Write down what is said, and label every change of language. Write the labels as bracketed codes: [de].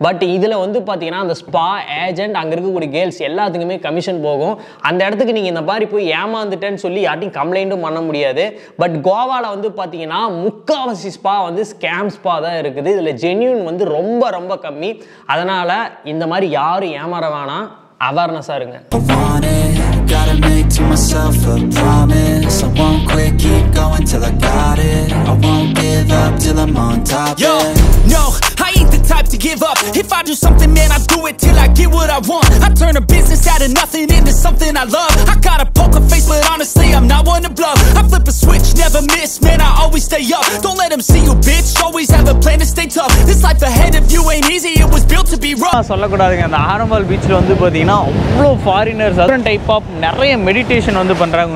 [ta] But இதில் வந்து பார்த்தீங்கன்னா அந்த ஸ்பா ஏஜென்ட் அங்கே இருக்கக்கூடிய கேர்ள்ஸ் எல்லாத்துக்குமே கமிஷன் போகும். அந்த இடத்துக்கு நீங்கள் இந்த மாதிரி போய் ஏமாந்துட்டேன்னு சொல்லி யார்ட்டையும் கம்ப்ளைண்ட்டும் பண்ண முடியாது. பட் கோவாவில் வந்து பார்த்தீங்கன்னா முக்காவாசி ஸ்பா வந்து ஸ்கேம் ஸ்பா தான் இருக்குது. இதில் ஜென்யூன் வந்து ரொம்ப ரொம்ப கம்மி. அதனால் இந்த மாதிரி யாரும் ஏமாற வேணாம், அவேர்னஸா இருங்க. [en] Gotta make to myself a promise. I won't quit, keep going till I got it. I won't give up till I'm on top. Yo, no, I ain't the type to give up. If I do something, man, I do it till I get what I want. I turn a business out of nothing into something I love. I got a poker face, but honestly, I'm not one to bluff. I flip a switch, never miss, man, I always stay up. Don't let them see you, bitch. Always have a plan to stay tough. This life ahead of you ain't easy, it was built to be rough. [ta] சொல்லக்கூடாதுங்க, அந்த ஆரம்பல் பீச்ல வந்து பாத்தீங்கன்னா அவ்வளோ foreigners different type of நிறைய meditation வந்து பண்ணுறாங்க.